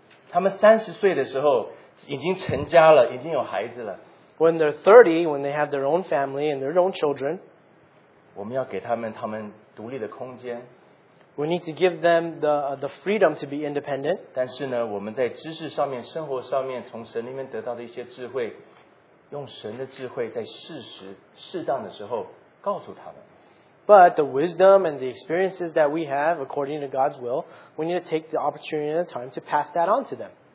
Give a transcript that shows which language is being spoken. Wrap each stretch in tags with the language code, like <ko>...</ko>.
<zh>他们30岁的时候已经成家了，已经有孩子了。</zh> <en>When they're 30, when they have their own family and their own children,</en> <zh>我们要给他们独立的空间。</zh> <en>We need to give them the freedom to be independent.</en> <zh>但是呢，我们在知识上面、生活上面，从神里面得到的一些智慧。用神的智慧在适时、适当的时候告诉他们。</zh> <en>But the wisdom and the experiences that we have according to God's will, we need to take the opportunity and the time to pass that on to them.</en>